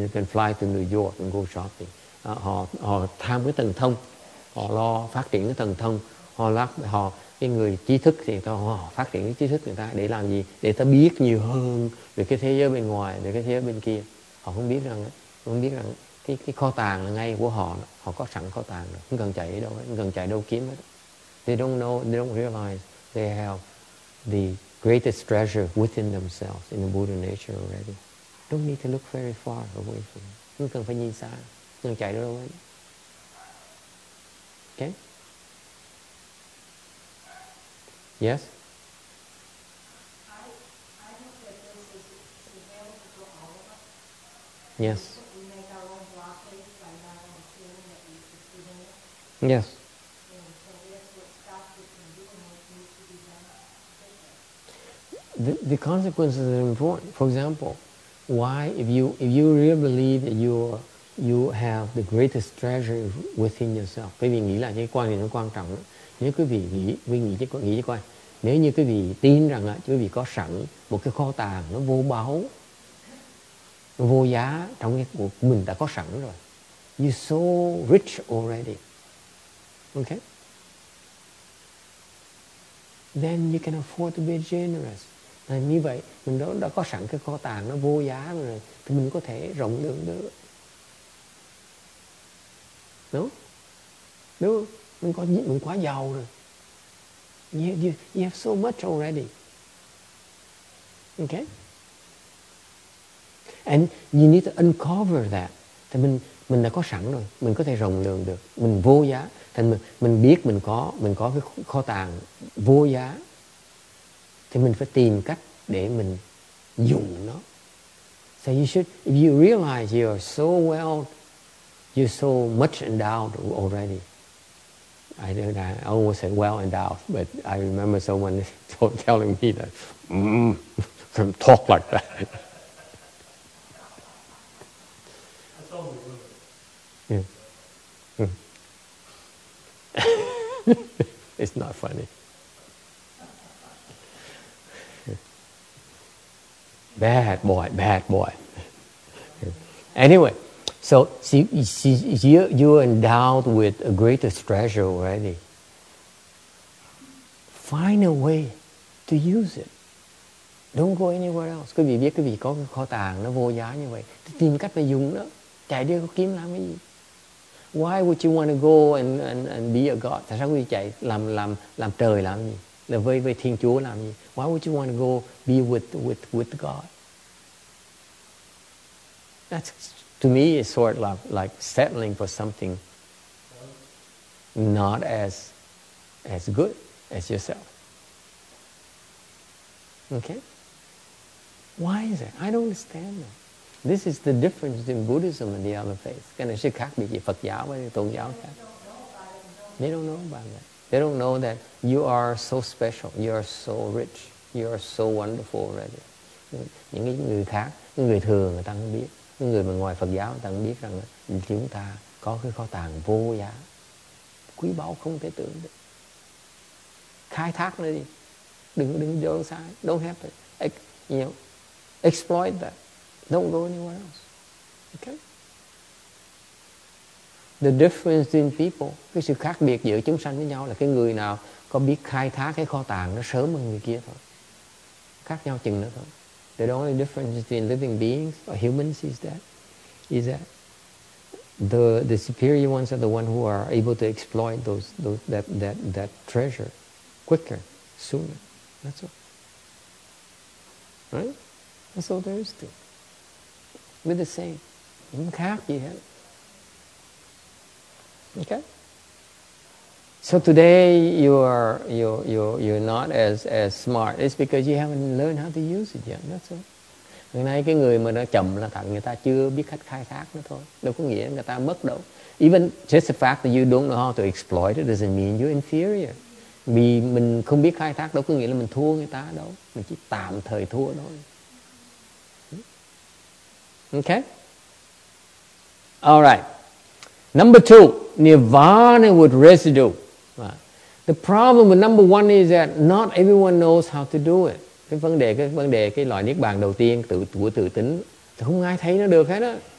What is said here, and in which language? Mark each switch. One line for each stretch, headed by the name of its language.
English: You can fly to New York and go shopping.
Vietnamese: Họ tham cái thần thông, họ lo phát triển cái thần thông. Họ cái người trí thức thì họ phát triển cái trí thức người ta để làm gì? Để ta biết nhiều hơn về cái thế giới bên ngoài, về cái thế giới bên kia. Họ không biết rằng cái kho tàng ngay của họ, họ có sẵn kho tàng rồi. Không cần chạy đâu, không cần chạy đâu kiếm hết.
English: They don't know, they don't realize they have the greatest treasure within themselves in the Buddha nature already. Don't need to look very far away from it.
Vietnamese: Không cần phải nhìn xa, đừng chạy đâu hết.
English: Okay? Yes? Yes. Yes. The consequences are important. For example, why if you really believe that you have the greatest treasure within yourself.
Vietnamese: Quý vị nghĩ là cái quan niệm nó quan trọng. Nếu quý vị nghĩ cho coi, nếu như quý vị tin rằng là quý vị có sẵn một cái kho tàng nó vô báu, nó vô giá trong cái của mình đã có sẵn rồi.
English: You're so rich already. Okay? Then you can afford to be generous.
Vietnamese: À, như vậy mình đã có sẵn cái kho tàng nó vô giá rồi thì mình có thể rộng lượng được, đúng không? Mình có nhiều, mình quá giàu rồi.
English: You have so much already. Okay? And you need to uncover that.
Vietnamese: Thì mình đã có sẵn rồi, mình có thể rộng lượng được, mình vô giá. Thì mình biết mình có cái kho tàng vô giá. Thì mình phải tìm cách để mình dùng nó.
English: So you should, if you realize you are so well, you're so much endowed already. I don't know, I almost said well endowed, but I remember someone telling me that, don't talk like that. It's not funny. Bad boy. Anyway, so you're endowed with a greater treasure already. Find a way to use it. Don't go anywhere else.
Vietnamese: Quý vị biết quý vị có cái kho tàng nó vô giá như vậy, tìm cách mà dùng nó. Chạy đi có kiếm làm cái gì?
English: Why would you want to go and be a god?
Vietnamese: Tại sao quý vị chạy làm trời làm gì? Là với Thiên Chúa làm gì?
English: Why would you want to go be with God? That's, to me, it's sort of like settling for something not as good as yourself. Okay? Why is that? I don't understand that. This is the difference between Buddhism and the other faiths.
Vietnamese: Cái này sẽ khác biệt với Phật giáo và Tôn giáo khác.
English: They don't know about that. They don't know that you are so special, you are so rich, you are so wonderful already.
Vietnamese: Những người khác, người thường người ta không biết. Người mà ngoài Phật giáo người ta không biết rằng chúng ta có cái kho tàng vô giá. Quý báu không thể tưởng được. Khai thác nó đi. Đừng dỡ sai.
English: Don't have to, you know, exploit that. Don't go anywhere else. Okay? The difference between people,
Vietnamese: cái sự khác biệt giữa chúng sanh với nhau là cái người nào có biết khai thác cái kho tàng nó sớm hơn người kia thôi. Khác nhau chừng nữa thôi.
English: The only difference between living beings or humans is that the superior ones are the ones who are able to exploit that treasure quicker, sooner. That's all. Right? That's all there is to. We're the same.
Vietnamese: Không khác gì hết.
English: Okay. So today you're not as smart. It's because you haven't learned how to use it yet. That's all.
Vietnamese: Hôm nay cái người mà nó chậm là thằng người ta chưa biết cách khai thác nó thôi. Đâu có nghĩa người ta mất đâu.
English: Even just the fact that you don't know how to exploit it doesn't mean you're inferior.
Vietnamese: Vì mình không biết khai thác đâu có nghĩa là mình thua người ta đâu. Mình chỉ tạm thời thua thôi.
English: Okay. All right. Number two, nirvana with residue. The problem with number one is that not everyone knows how to do it.
Vietnamese: Cái vấn đề cái loại niết bàn đầu tiên của tự tính, không ai thấy nó được hết á.